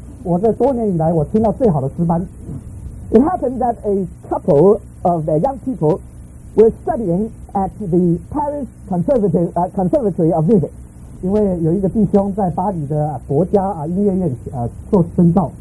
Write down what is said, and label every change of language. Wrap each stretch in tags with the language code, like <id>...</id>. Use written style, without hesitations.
<zh>我这多年以来我听到最好的诗班</zh> <en>It happened that a couple of their young people were studying at the Paris Conservatory of Music</en> <zh>因为有一个弟兄在巴黎的国家音乐院做深造</zh>